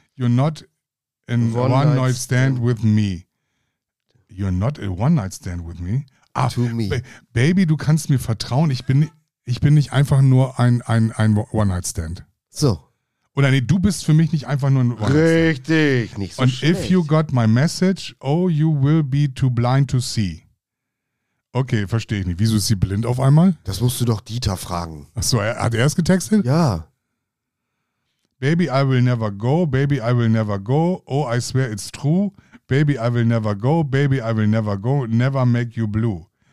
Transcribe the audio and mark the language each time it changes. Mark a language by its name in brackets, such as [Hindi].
[English] You're not in one night stand with me. You're not in one night stand with me. To me. [German] Baby, du kannst mir vertrauen. Ich bin nicht einfach nur ein one night stand. So. Oder nee, du bist für mich nicht einfach nur ein one night stand. Richtig, nicht so. Und schlecht. [English] If you got my message, oh, you will be too blind to see. [German] Okay, verstehe ich nicht. Wieso ist sie blind auf einmal? Das musst du doch Dieter fragen. Ach so, hat er es getextet? Ja. [English] Baby, I will never go. Baby, I will never go. Oh, I swear it's true. Baby, I will never go. Baby, I will never go. Never make you blue.